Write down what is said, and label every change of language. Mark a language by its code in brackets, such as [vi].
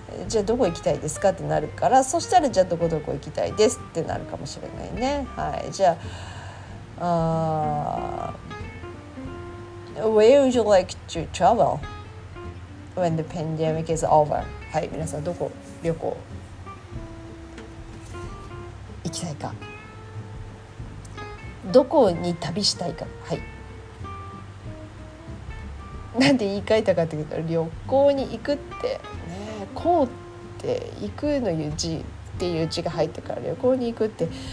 [ja] じゃあどこ行きたいですかってなるから、そしたらじゃあどこどこ行きたいですってなるかもしれないね。はい、じゃあ [en] Where would you like to travel when the pandemic is over? [ja] はい、皆さんどこ旅行行きたいか、どこに旅したいか、はい、なんて言い換えたかというと、旅行に行くってね、こうって行くのいう字っていう字が入ってから、旅行に行くって